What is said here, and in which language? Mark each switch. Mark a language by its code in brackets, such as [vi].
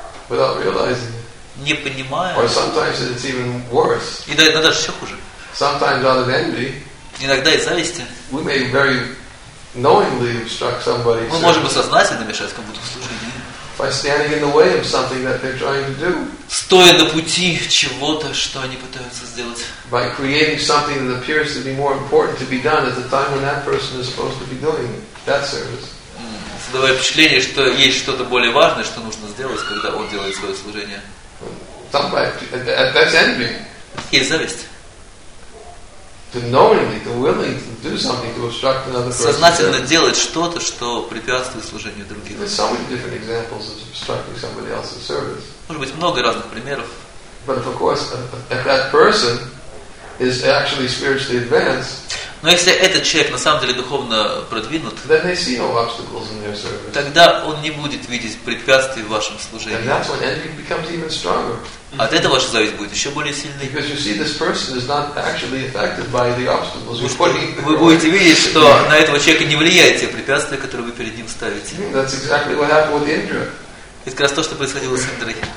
[en] Without realizing. [ru] Не понимая. [en] Or sometimes it's even worse. [ru] И иногда даже все хуже. [en] Sometimes out of envy. [ru] Иногда из зависти. [en] We may very knowingly obstruct somebody. [ru] Мы можем сознательно мешать кому-то в служении. [en] By standing in the way of something that they're trying to do. [ru] Стоя на пути чего-то, что они пытаются сделать. [en] By creating something that appears to be more important to be done at the time when that person is supposed to be doing that service. [ru] Создавая впечатление, что есть что-то более важное, что нужно сделать, когда он делает свое служение. [en] That's envy. [ru] Есть зависть. [en] To knowingly, to willing to do something to obstruct another person. [ru] Сознательно делать что-то, что препятствует служению другим. [en] There's so many different examples of obstructing somebody else's service. [ru] Может быть много разных примеров. [en] But of course, if that person is actually spiritually advanced. [ru] Но если этот человек на самом деле духовно продвинут, [en] then they see no obstacles in their service. [ru] Тогда он не будет видеть препятствий в вашем служении. [en] And that's when envy becomes even stronger. [ru] От этого ваша зависть будет еще более сильной. [en] Because you see, this person is not actually affected by the obstacles. [ru] Вы будете видеть, что на этого человека не влияет те препятствия, которые вы перед ним ставите. [en] That's exactly what happened with Indra. [ru] Это как раз то, что происходило с Индрой.